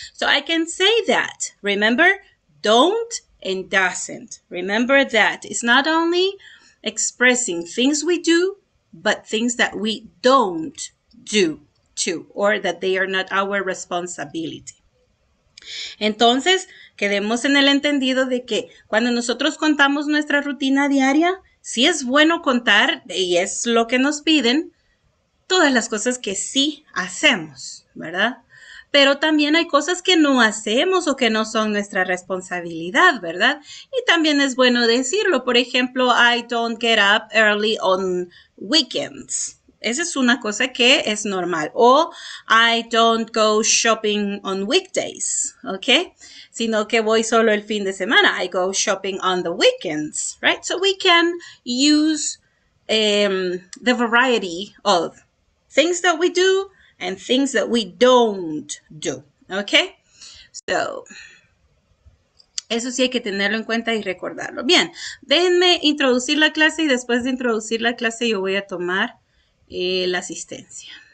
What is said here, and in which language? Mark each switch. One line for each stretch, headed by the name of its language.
English: So I can say that. Remember, don't and doesn't. Remember that. It's not only expressing things we do, but things that we don't do too, or that they are not our responsibility.
Spanish: Entonces, quedemos en el entendido de que cuando nosotros contamos nuestra rutina diaria, sí es bueno contar, y es lo que nos piden, todas las cosas que sí hacemos, ¿verdad? Pero también hay cosas que no hacemos o que no son nuestra responsabilidad, ¿verdad? Y también es bueno decirlo. Por ejemplo,
English: I don't get up early on weekends.
Spanish: Esa es una cosa que es normal. O
English: I don't go shopping on weekdays,
Spanish: ¿ok? Sino que voy solo el fin de semana.
English: I go shopping on the weekends, right? So we can use the variety of things that we do and things that we don't do, okay? So,
Spanish: eso sí hay que tenerlo en cuenta y recordarlo. Bien, déjenme introducir la clase y después de introducir la clase yo voy a tomar la asistencia.